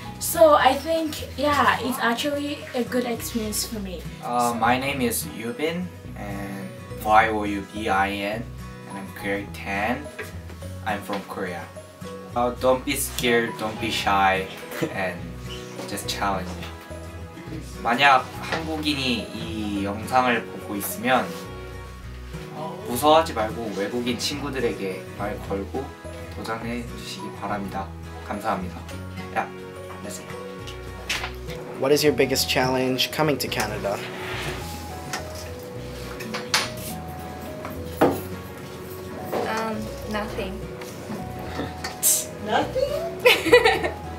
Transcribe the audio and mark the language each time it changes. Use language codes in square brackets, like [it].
[en] So I think, yeah, it's actually a good experience for me. My name is Yubin, and Y-O-U-B-I-N, and I'm grade 10. I'm from Korea. Don't be scared, don't be shy, and just challenge me. [ko] 만약 한국인이 이 영상을 보고 있으면 무서워하지 말고 외국인 친구들에게 말 걸고 도전해 주시기 바랍니다. 감사합니다. 야, 안녕하세요. [en] What is your biggest challenge coming to Canada? Nothing.